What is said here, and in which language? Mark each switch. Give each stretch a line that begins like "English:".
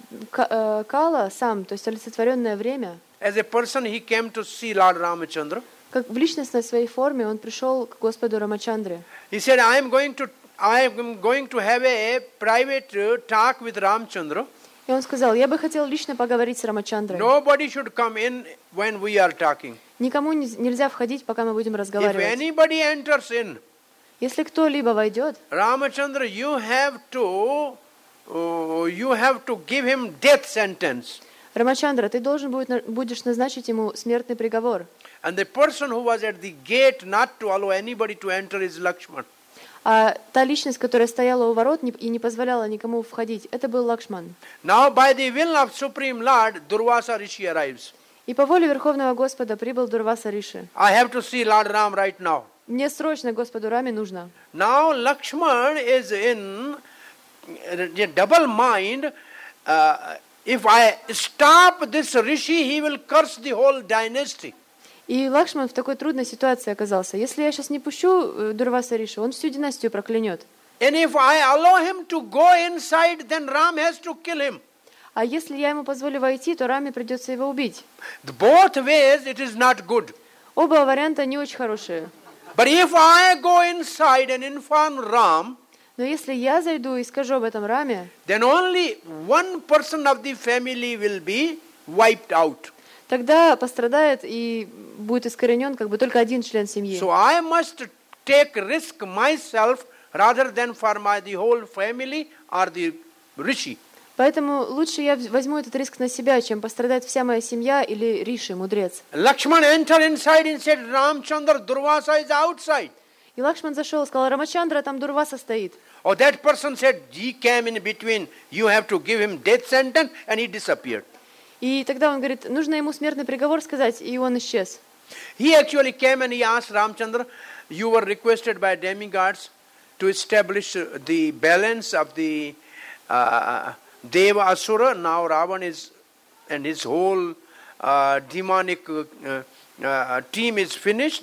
Russian: Kala сам, то есть олицетворенное время.
English: As a person, he came to see Lord Ramachandra.
Russian: Как в личностной своей форме он пришел к Господу Рамачандре.
English: He said, I am going to have a private talk with Ramachandra.
Russian: И он сказал, я бы хотел лично поговорить с Рамачандрой.
English: Nobody should come in when we are talking.
Russian: Никому нельзя входить, пока мы будем разговаривать.
English: If anybody enters in,
Russian: если кто-либо войдет,
English: Рамачандра, you have to give him death sentence.
Russian: Рамачандра, ты должен будешь назначить ему смертный приговор.
English: And the person who was at the gate not to allow anybody to enter is Lakshman.
Russian: А та личность, которая стояла у ворот и не позволяла никому входить, это был Лакшман.
English: Now, by the will of Supreme Lord, Durvasa Rishi arrives.
Russian: И по воле Верховного Господа прибыл Дурваса Риши.
English: I have to see Lord Ram right now.
Russian: Мне срочно Господу Раме нужно.
English: Now Lakshman is in a double mind. If I stop this Rishi, he will curse the whole dynasty.
Russian: И Лакшман в такой трудной ситуации оказался. Если я сейчас не пущу Дурваса Риши, он всю династию проклянет.
English: And if I allow him to go inside, then Ram has to kill him.
Russian: А если я ему позволю войти, то Раме придется его убить.
English: Both ways it is not good.
Russian: Оба варианта не очень хорошие.
English: But if I go inside and inform Ram,
Russian: но если я зайду и скажу об этом Раме,
English: then only one person of the family will be wiped out.
Russian: Тогда пострадает и будет искоренен как бы только один член семьи.
English: So I must take risk myself rather than for the whole family or the Rishi.
Russian: Поэтому лучше я возьму этот риск на себя, чем пострадает вся моя семья или Риши, мудрец.
English: Lakshman entered inside and said, Ramchandra, Durvasa is outside.
Russian: И Лакшман зашел и сказал, Рамачандра, там Дурваса стоит.
English: Oh, that person said, he came in between, you have to give him death sentence, and he disappeared.
Russian: И тогда он говорит, нужно ему смертный приговор сказать, и он исчез.
English: He actually came and he asked Ramchandra, you were requested by demigods to establish the balance of the Deva Asura. Now Ravan is, and his whole demonic team is finished.